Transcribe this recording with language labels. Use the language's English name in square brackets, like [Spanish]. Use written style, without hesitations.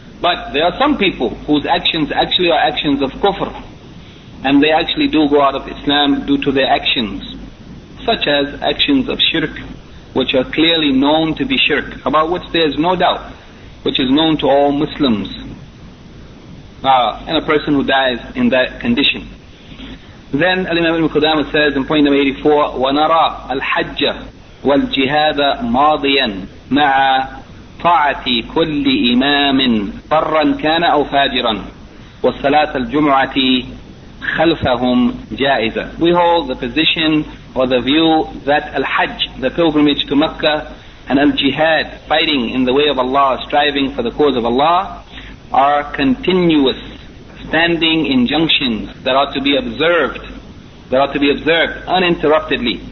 [English] But there are some people whose actions actually are actions of kufr, and they actually do go out of Islam due to their actions, such as actions of shirk, which are clearly known to be shirk, about which there is no doubt, which is known to all Muslims, and a person who dies in that condition. Then Al-Imam Ibn Qudama says in point number 84, [Arabic] وَنَرَى الْحَجَّ وَالْجِهَادَ مَاضِيًا مَعَ طَاعَةِ كُلِّ إِمَامٍ طَرًّا كَانَ أَوْ فَاجِرًا وَالصَّلَاةَ الْجُمْعَةِ خَلْفَهُمْ جَائِزًا. [English] We hold the position or the view that al-hajj, the pilgrimage to Mecca, and al-jihad, fighting in the way of Allah, striving for the cause of Allah, are continuous standing injunctions that are to be observed, that are to be observed uninterruptedly.